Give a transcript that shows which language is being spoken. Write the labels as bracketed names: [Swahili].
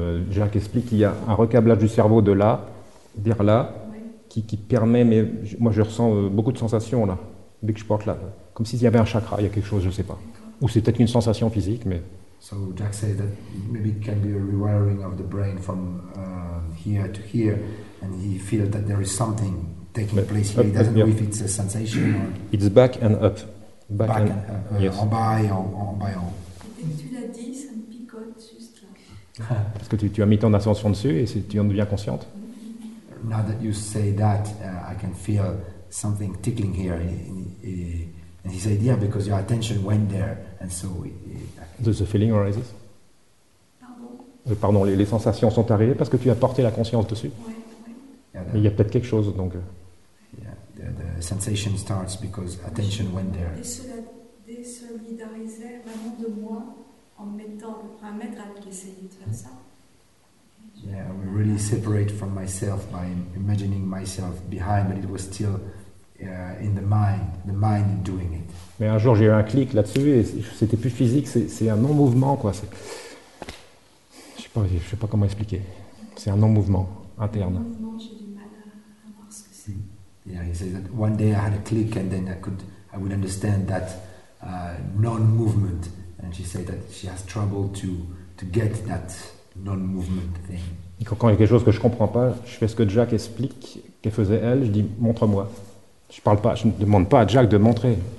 [French] Jacques explique qu'il y a un recablage du cerveau de là, vers là, qui permet, mais moi je ressens beaucoup de sensations là, dès que je porte là. Comme s'il y avait un chakra, il y a quelque chose, je ne sais pas. Ou c'est peut-être une sensation physique, mais... [English] So Jacques says that maybe it can be a rewiring of the brain from here to here, and he feels that there is something... taking but place here. Up, he doesn't know if it's a sensation or... It's back and up. Back and up. Yes. [French] En bas et en haut. Et dès que tu l'as dit, ça me picote juste là. Parce que tu as mis ton ascension dessus et tu en deviens consciente. [English] Now that you say that, I can feel something tickling here. And he said, yeah, because your attention went there. And so... Does the feeling arises? [French] Pardon? Pardon, les sensations sont arrivées parce que tu as porté la conscience dessus. Oui. [English] Yeah, [French] mais il y a peut-être quelque chose, donc. [English] Yeah, the sensation starts because attention went there. [French] Désolidarisait vraiment de moi en mettant un maître à essayer de faire ça. [English] Yeah, I would really separate from myself by imagining myself behind, but it was still in the mind doing it. [French] Mais un jour j'ai eu un clic là-dessus et c'était plus physique, c'est un non-mouvement, quoi. C'est... Je sais pas comment expliquer. C'est un non-mouvement interne. [English] Yeah, he said that one day I had a click and then I would understand that non-movement. And she said that she has trouble to get that non-movement thing. [French] Et quand il y a quelque chose que je comprends pas, je fais ce que Jack explique qu'elle faisait elle. Je dis montre-moi. Je parle pas. Je ne demande pas à Jack de montrer.